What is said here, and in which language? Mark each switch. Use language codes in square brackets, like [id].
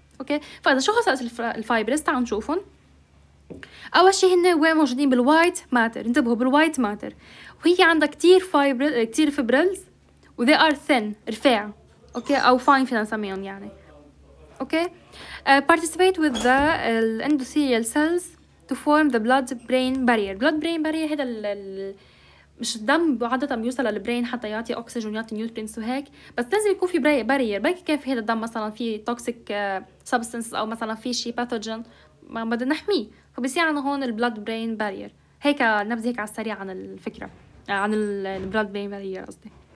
[ar] اوكي، فاذا شو خصائص الفايبرس تعالوا نشوفهم. اول شيء هن وين موجودين؟ بالوايت ماتر، انتبهوا بالوايت ماتر، وهي عندها كتير فايبر كتير فيبرلز و [en] they are thin [ar] رفاع اوكي او fine فينا نسميهم يعني اوكي. [en] participate with the endothelial cells to form the blood brain barrier. [ar] blood brain barrier هذا مش الدم عادة بيوصل للبرين حتى يعطي اكسجين ويعطي نيوترينس وهيك، بس لازم يكون في barrier. بلكي كان في هذا الدم مثلا في toxic substance او مثلا في شيء pathogen ما بدنا نحميه، فبصير عنا هون blood brain barrier. هيك نبذة هيك على السريع عن الفكرة عن blood brain barrier قصدي.